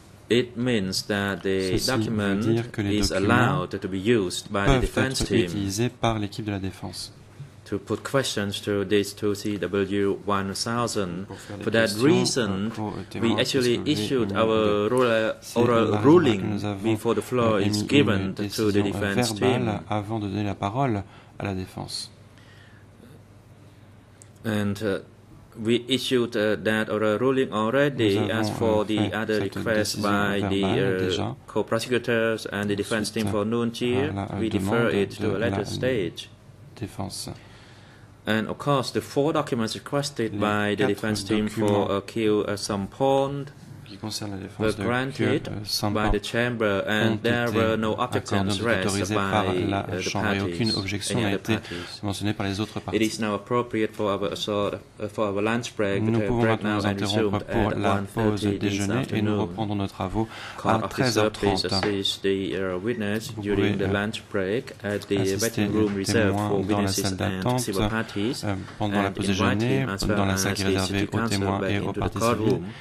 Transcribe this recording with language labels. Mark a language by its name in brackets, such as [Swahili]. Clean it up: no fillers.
[English] It means that the document is allowed to be used by the defense team [French] par l'équipe de la défense. [English] to put questions to this 2CW1000. For that reason, we actually issued our oral ruling before the floor is given to the defense team. [French] Avant de donner la parole à la défense. [English] And we issued that oral ruling already, as for the other requests by the co-prosecutors and the defense team for Nunchir, we defer it to a later stage. [French] Défense. [English] And of course, the four documents requested by the defense team for Kill Some Pond were granted by the chamber, and there were no objections raised by the parties, any other parties. It is now appropriate for our lunch break. [French] Nous pouvons maintenant nous interrompre pour la pause déjeuner et nous reprendrons nos travaux à 13h30. Vous pouvez assister les témoins dans la salle d'attente pendant la pause déjeuner, dans la salle qui est réservée aux témoins et aux parties civiles.